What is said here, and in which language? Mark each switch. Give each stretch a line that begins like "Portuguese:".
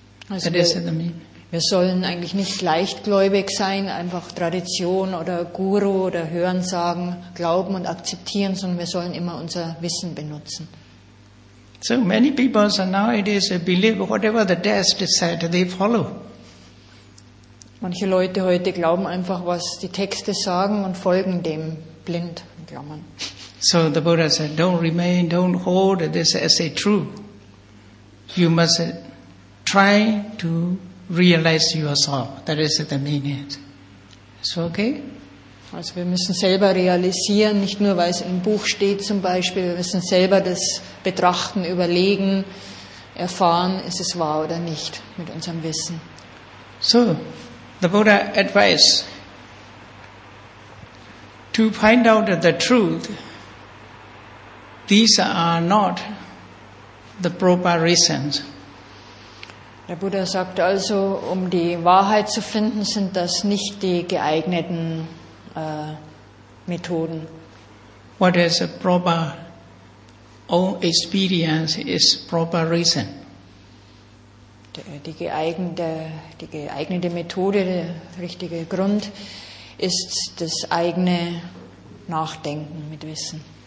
German: Also wir sollen eigentlich nicht leichtgläubig sein, einfach Tradition oder Guru oder Hörensagen glauben und akzeptieren, sondern wir sollen immer unser Wissen benutzen.
English: So many people so nowadays believe whatever the text said, they follow.
German: Manche Leute heute glauben einfach, was die Texte sagen und folgen dem blind.
English: So the Buddha said, don't remain, don't hold this as a truth. You must try to realize yourself. That is the meaning. Is it okay?
German: Also wir müssen selber realisieren, nicht nur weil es im Buch steht zum Beispiel, wir müssen selber das betrachten, überlegen, erfahren, ist es wahr oder nicht mit unserem Wissen.
English: So, the Buddha advice. To find out the truth, these are not the proper reasons.
German: Der Buddha sagt also, um die Wahrheit zu finden, sind das nicht die geeigneten Methoden.
English: What is a proper own experience is proper reason.
German: Die geeignete Methode, der richtige Grund, ist das eigene Nachdenken mit Wissen.